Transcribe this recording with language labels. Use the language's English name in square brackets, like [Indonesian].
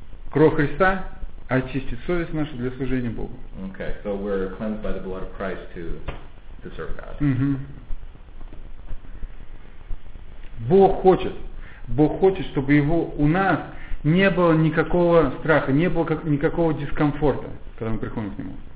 [Russian] Кровь Христа очистит совесть нашу для служения Богу. [English] Okay, so we're cleansed by the blood of Christ to serve God. [Russian] Бог хочет, чтобы его у нас не было никакого страха, не было никакого дискомфорта, когда мы приходим к нему.